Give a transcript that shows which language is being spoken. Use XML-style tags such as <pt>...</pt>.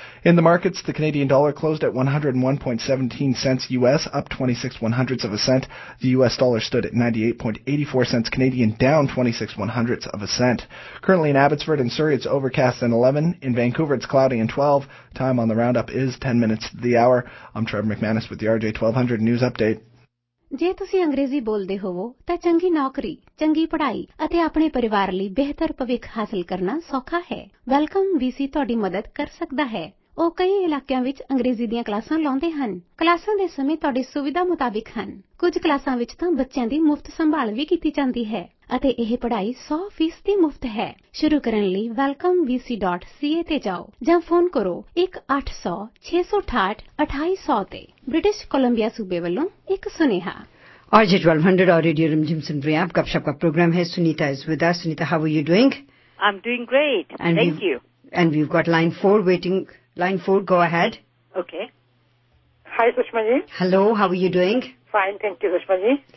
<en>In the markets, the Canadian dollar closed at 101.17 cents U.S., up 26 one-hundredths of a cent. The U.S. dollar stood at 98.84 cents Canadian, down 26 one-hundredths of a cent. Currently in Abbotsford and Surrey, it's overcast and 11. In Vancouver, it's cloudy and 12. Time on the roundup is 10 minutes to the hour. I'm Trevor McManus with the RJ1200 News Update.</en> <pa>ਜੇ ਤੁਸੀਂ ਅੰਗਰੇਜ਼ੀ ਬੋਲਦੇ ਹੋਵੋ ਤਾਂ ਚੰਗੀ ਨੌਕਰੀ, ਚੰਗੀ ਪੜ੍ਹਾਈ ਅਤੇ ਆਪਣੇ ਪਰਿਵਾਰ ਲਈ ਬਿਹਤਰ ਭਵਿੱਖ ਹਾਸਲ ਕਰਨਾ ਸੌਖਾ ਹੈ। ਵੈਲਕਮ ਵੀਸੀ ਤੁਹਾਡੀ ਮਦਦ ਕਰ ਸਕਦਾ ਹੈ। ਉਹ ਕਈ ਇਲਾਕਿਆਂ ਵਿੱਚ ਅੰਗਰੇਜ਼ੀ ਦੀਆਂ ਕਲਾਸਾਂ ਲਾਉਂਦੇ ਹਨ। ਕਲਾਸਾਂ ਦੇ ਸਮੇਂ ਤੁਹਾਡੀ ਸੁਵਿਧਾ ਮੁਤਾਬਿਕ ਹਨ। ਕੁਝ ਕਲਾਸਾਂ ਵਿੱਚ ਤਾਂ ਬੱਚਿਆਂ ਦੀ ਮੁਫਤ ਸੰਭਾਲ ਵੀ ਕੀਤੀ ਜਾਂਦੀ ਹੈ ਅਤੇ ਇਹ ਪੜ੍ਹਾਈ 100% ਮੁਫਤ ਹੈ। ਸ਼ੁਰੂ ਕਰਨ ਲਈ welcomevc.ca ਤੇ ਜਾਓ ਜਾਂ ਫੋਨ ਕਰੋ 1-800-668-2800 ਤੇ। ਬ੍ਰਿਟਿਸ਼ ਕੋਲੰਬੀਆ ਸੂਬੇ ਵੱਲੋਂ ਇੱਕ ਸੁਨੇਹਾ।</pa> <hi>RJ 1200 और रेडियो रिमझिम सुन रहे हैं आप। गपशप का प्रोग्राम है। Sunita</hi> <en>Is with us.</en> <hi>Sunita,</hi> <en>How are you doing? I am doing great, thank you. And we have got line four waiting. Line four, go ahead. Okay, hi Sushma ji. Hello, how are you doing? Fine, thank you Sushma ji.</en>